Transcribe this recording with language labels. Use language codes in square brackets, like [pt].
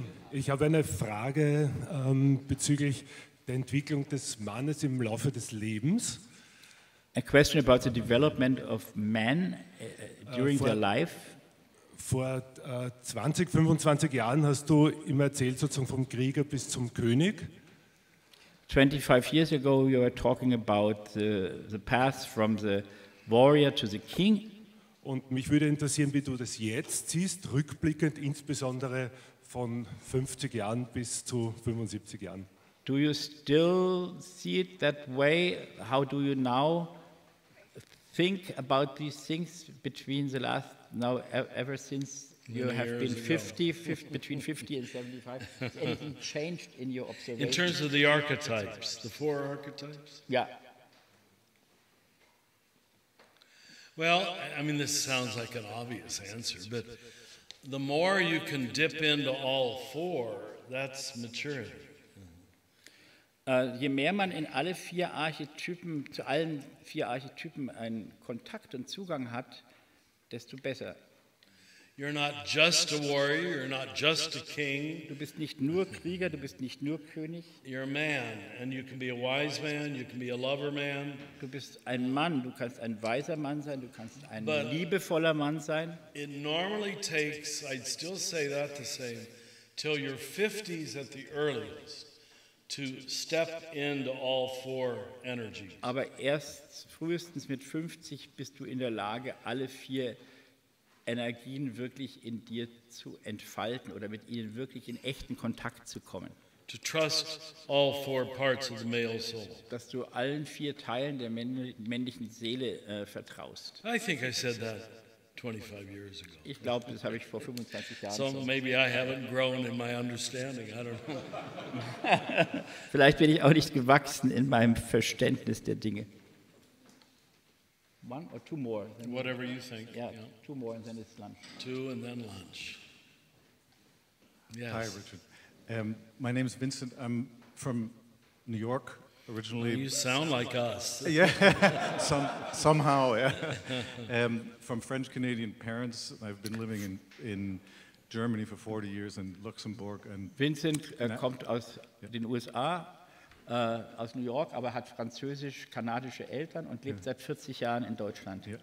[de] Ich habe eine Frage bezüglich der Entwicklung des Mannes im Laufe des Lebens. [en] A question about the development of man during their life. [de] Vor 20, 25 Jahren hast du ihm erzählt, sozusagen vom Krieger bis zum König. [en] 25 years ago you were talking about the path from the warrior to the king. [de] Und mich würde interessieren, wie du das jetzt siehst, rückblickend insbesondere von 50 Jahren bis zu 75 Jahren. [en] Do you still see it that way? How do you now think about these things between the last, now ever since you have been 50, between 50 and 75? Has anything changed in your observation? In terms of the archetypes, the four archetypes? Yeah. Well, I mean, this sounds like an obvious answer, but the more you can dip into all four, that's maturity. [de] Je mehr man in alle vier Archetypen, zu allen vier Archetypen einen Kontakt und Zugang hat, desto besser. [en] You're not just a warrior, you're not just a king. [de] Du bist nicht nur Krieger, du bist nicht nur König. [en] You're a man, and you can be a wise man, you can be a lover man. [de] Du bist ein Mann, du kannst ein weiser Mann sein, du kannst ein liebevoller Mann sein. [en] It normally takes, I'd still say that the same, till your 50s at the earliest. To step into all four energies. [de] Aber erst frühestens mit 50 bist du in der Lage, alle vier Energien wirklich in dir zu entfalten oder mit ihnen wirklich in echten Kontakt zu kommen. [en] To trust all four parts of the male soul. [de] Dass du allen vier Teilen der männlichen Seele vertraust. [en] I think I said that 25 years ago. [de] Ich glaube, das habe ich vor 25 Jahren gesagt. [en] So maybe I haven't grown in my understanding. I don't know. [de] Vielleicht bin ich auch nicht gewachsen in meinem Verständnis der Dinge. [en] One or two more. Whatever you think. Yeah, yeah. Two more and then it's lunch. Two and then lunch. Yes. Hi, Richard. My name is Vincent. I'm from New York originally. You sound like us. Yeah. Somehow, yeah. From French Canadian parents. I've been living in Germany for 40 years and Luxembourg and [de] Vincent kommt aus den USA, aus New York, aber hat französisch-kanadische Eltern und lebt seit 40 Jahren in Deutschland.